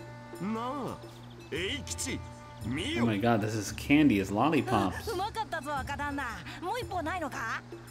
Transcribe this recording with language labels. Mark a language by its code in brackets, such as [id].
[ja] その再現には、さすがの俺も三日三晩を要したが。見よ、一点の気泡もなく澄み渡りし我が眼を。見よ、彫像がごとき我が腹部の陰影を。もはや当世の飴売りなど相手にならぬ。なあ、栄吉、見よ。 [en] Oh my god, this is candy, it's lollipops. [ja] うまかったぞ、若旦那。もう一本ないのか?